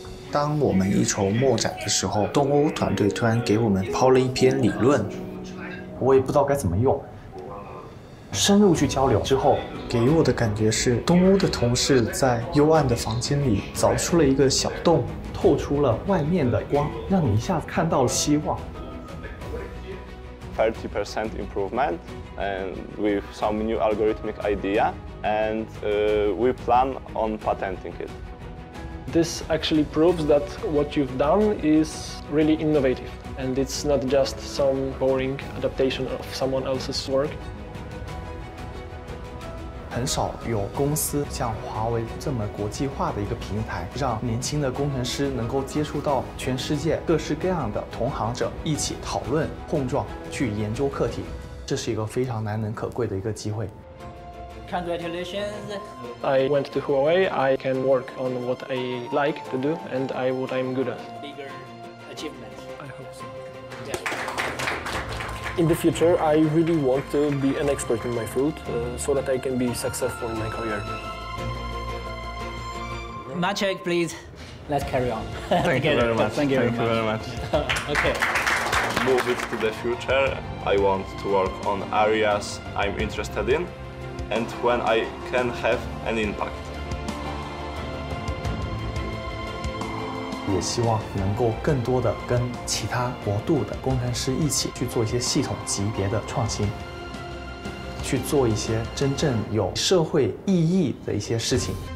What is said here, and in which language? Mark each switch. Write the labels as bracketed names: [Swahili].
[Chinese] 当我们一筹莫展的时候，东欧团队突然给我们抛了一篇理论，我也不知道该怎么用。深入去交流之后，给我的感觉是，东欧的同事在幽暗的房间里凿出了一个小洞，透出了外面的光，让你一下子看到了希望。 [English] 30% improvement, and with some new algorithmic idea, and we plan on patenting it. This actually proves that what you've done is really innovative, and it's not just some boring adaptation of someone else's work. [Chinese] 很少有公司像华为这么国际化的一个平台，让年轻的工程师能够接触到全世界各式各样的同行者，一起讨论、碰撞、去研究课题，这是一个非常难能可贵的一个机会。 [English] Congratulations! I went to Huawei. I can work on what I like to do and what I'm good at. Bigger achievement. I hope so. In the future, I really want to be an expert in my field, so that I can be successful in my career. Maciek, please, let's carry on. Thank you very much. Okay. Move it to the future. I want to work on areas I'm interested in, and when I can have an impact. [Chinese] 也希望能够更多的跟其他国度的工程师一起去做一些系统级别的创新，去做一些真正有社会意义的一些事情。